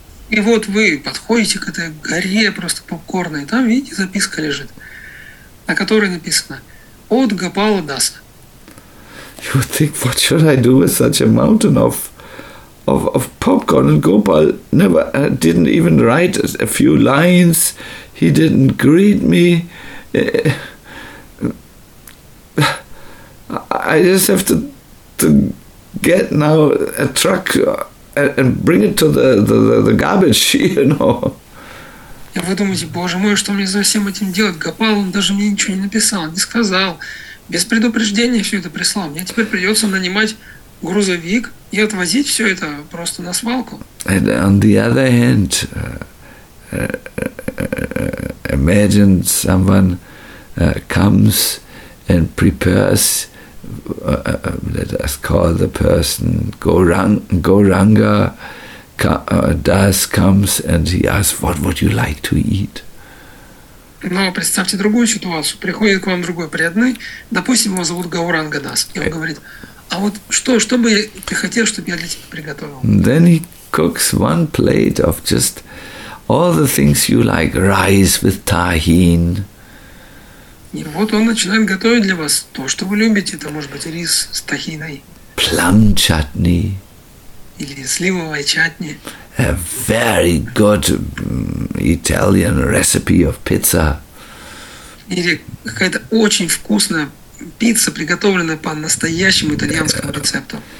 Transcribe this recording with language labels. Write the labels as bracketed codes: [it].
[ru] И вот вы подходите к этой горе просто попкорна, и там, видите, записка лежит, на которой написано: от Гопала Даса. [en] You would think, what should I do with such a mountain of popcorn? And Gopal never didn't even write a few lines. He didn't greet me. I just have to get now a truck and bring it to the garbage, you know. [ru] И вы думаете: боже мой, что мне за всем этим делать? Гопал, он даже мне ничего не написал, не сказал. Без предупреждения все это прислал. Мне теперь придется нанимать грузовик и отвозить все это просто на свалку. [en] And on the other hand, imagine someone comes and prepares, let us call the person Gauranga Das comes and he asks, what would you like to eat? [ru] Но представьте другую ситуацию. Приходит к вам другой преданный, допустим, его зовут Гауранга Дас, и он говорит: а вот что бы ты хотел, чтобы я для тебя приготовил? [en] Then he cooks one plate of just all the things you like, rice with tahin. [ru] И вот он начинает готовить для вас то, что вы любите. Это может быть рис с тахиной. [en] Plum chutney. [ru] Или сливовая чатни. [en] A very good Italian recipe of pizza. [ru] Или какая-то очень вкусная пицца, приготовленная по настоящему итальянскому рецепту.